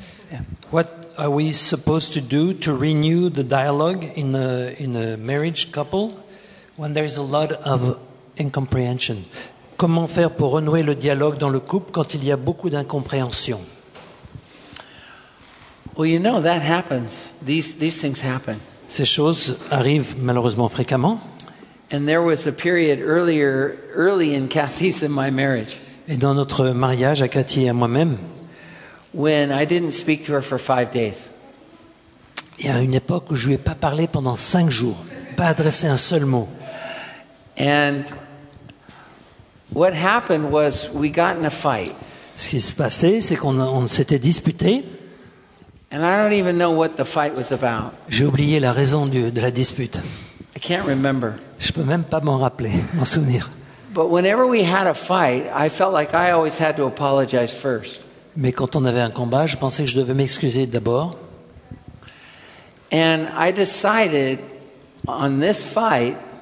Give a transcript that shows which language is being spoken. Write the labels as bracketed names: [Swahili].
[English] Yeah. What are we supposed to do to renew the dialogue in a marriage couple when there is a lot of incomprehension? [French] Comment faire pour renouer le dialogue dans le couple quand il y a beaucoup d'incompréhension? [English] Well, you know that happens. These things happen. [French] Ces choses arrivent malheureusement fréquemment. [English] And there was a period early in Kathy's and my marriage. [French] Et dans notre mariage à Cathy et à moi-même, [English] when I didn't speak to her for 5 days. [French] Il y a une époque où je lui ai pas parlé pendant 5 jours, pas adressé un seul mot. [English] And what happened was we got in a fight. [French] Ce qui s'est passé, c'est qu'on s'était disputé. [English] And I don't even know what the fight was about. [French] J'ai oublié la raison de la dispute. [English] I can't remember. [French] Je peux même pas m'en rappeler, m'en souvenir. [English] But whenever we had a fight, I felt like I always had to apologize first. [French] Mais quand on avait un combat, je pensais que je devais m'excuser d'abord. [English] And I decided on this fight.